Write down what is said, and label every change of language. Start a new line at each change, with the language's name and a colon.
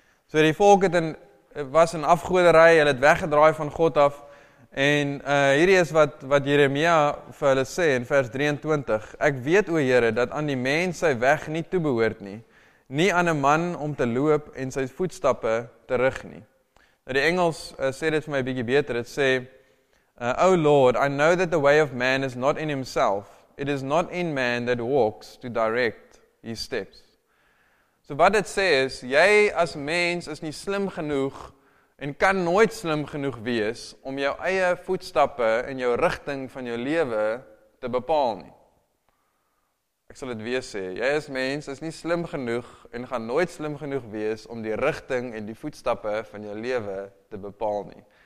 Afrikaans: So die volk was in afgoderry, hulle het weggedraai van God af, en hierdie is wat Jeremia vir hulle sê in vers 23, ek weet o Here, dat aan die mens sy weg nie toebehoort nie, nie aan 'n man om te loop en sy voetstappe te rig nie. Nou die Engels sê dit vir my bietjie beter, dit sê,
English: O Lord, I know that the way of man is not in himself, it is not in man that walks to direct his steps.
Afrikaans: So wat dit sê is, jy as mens is nie slim genoeg en kan nooit slim genoeg wees om jou eie voetstappe en jou rigting van jou lewe te bepaal nie. Ek sal dit weer sê, jy as mens is nie slim genoeg en gaan nooit slim genoeg wees om die rigting en die voetstappe van jou lewe te bepaal nie.